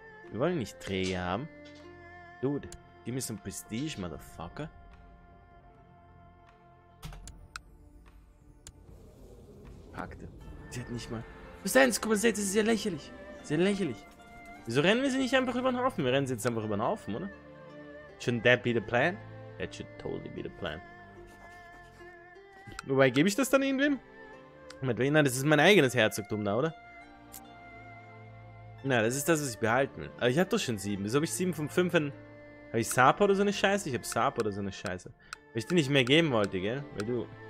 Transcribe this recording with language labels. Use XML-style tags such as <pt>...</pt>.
<de>Wir wollen nicht Träge haben. Dude, gib mir so ein Prestige, Motherfucker. Packte. Sie hat nicht mal... Du bist 1,6, das ist ja lächerlich. Wieso rennen wir sie nicht einfach über den Haufen? Wir rennen sie jetzt einfach über den Haufen, oder?</de> <en>Shouldn't that be the plan? That should totally be the plan.</en> <de>Wobei, gebe ich das dann irgendwem? Mit wem? Nein, das ist mein eigenes Herzogtum da, oder? Na, das ist das, was ich behalten will. Aber ich hab doch schon 7. Wieso habe ich 7 von 5 in... Habe ich Sapo oder so eine Scheiße? Ich habe Sapo oder so eine Scheiße. Weil ich dir nicht mehr geben wollte, gell? Weil du...</de>